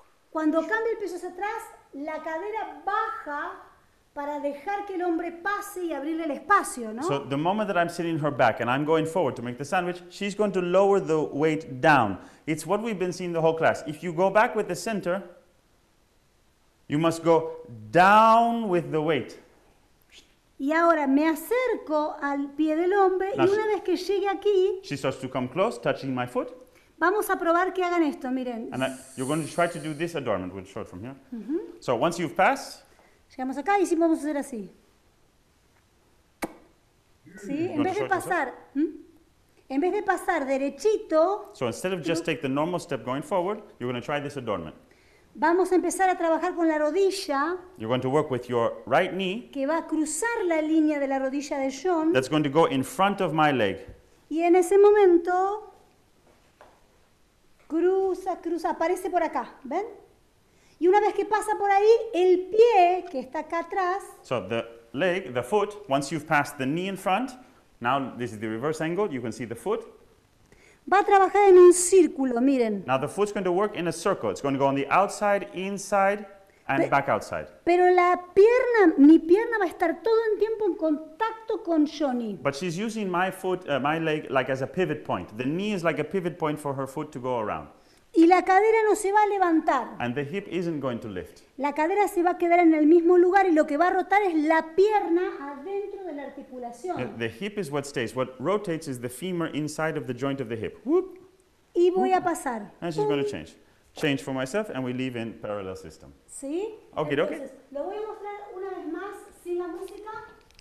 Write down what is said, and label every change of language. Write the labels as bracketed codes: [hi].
[es] Cuando cambio el peso hacia atrás, la cadera baja para dejar que el hombre pase y abrirle el espacio, ¿no? [en] So the moment that I'm sitting her back and I'm going forward to make the sandwich, she's going to lower the weight down. It's what we've been seeing the whole class. If you go back with the center, you must go down with the weight. [es] Y ahora me acerco al pie del hombre now y una vez que llegue aquí, [en] she starts to come close, touching my foot. [es] Vamos a probar que hagan esto, miren. [en] And you're going to try to do this adornment. We'll show it from here. Mm-hmm. So once you've passed, [es] Llegamos acá y sí vamos a hacer así. ¿Sí? En vez de pasar, en vez de pasar derechito. [en] So instead of just take the normal step going forward, you're going to try this adornment. [es] Vamos a empezar a trabajar con la rodilla. [en] You're going to work with your right knee. [es] Que va a cruzar la línea de la rodilla de John. [en] That's going to go in front of my leg. [es] Y en ese momento cruza, cruza, aparece por acá, ¿ven? Y una vez que pasa por ahí, el pie que está acá atrás. [en] So the leg, the foot, once you've passed the knee in front, now this is the reverse angle, you can see the foot. [es] Va a trabajar en un círculo, miren. [en] Now the foot's going to work in a circle. It's going to go on the outside, inside, and back outside. [es] Pero la pierna, mi pierna va a estar todo el tiempo en contacto con Johnny. [en] But she's using my foot, my leg, like as a pivot point. The knee is like a pivot point for her foot to go around. [es] Y la cadera no se va a levantar. [en] And the hip isn't going to lift. [es] La cadera se va a quedar en el mismo lugar y lo que va a rotar es la pierna adentro de la articulación. [en] The hip is what stays. What rotates is the femur inside of the joint of the hip. Whoop. Y voy a pasar. And she's going to change. Change for myself and we leave in parallel system. [es] ¿Sí? [en] Okay, [es] entonces, [en] okay. [es] Lo voy a mostrar una vez más sin la música.